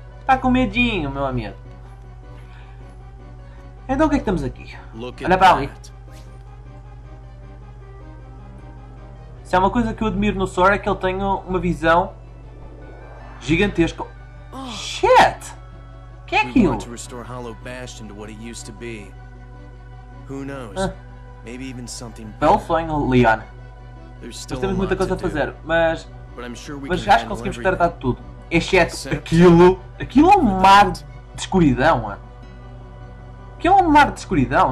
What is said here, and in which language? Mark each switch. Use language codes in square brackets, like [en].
[pt] Tá com medinho, meu amigo. Então o que é que temos aqui? Olha pra ali. Se há uma coisa que eu admiro no Sora é que ele tem uma visão gigantesca. Shit! Que é aquilo? Vamos restaurar Hollow Bastion [en] to what it used to be. Who knows? Maybe even something better. [pt] Belo sonho, Leon. Nós temos muita coisa a fazer, mas. Mas acho que conseguimos tratar de tudo. Exceto aquilo. Aquilo é um mar de escuridão, mano. Aquilo é um mar de escuridão.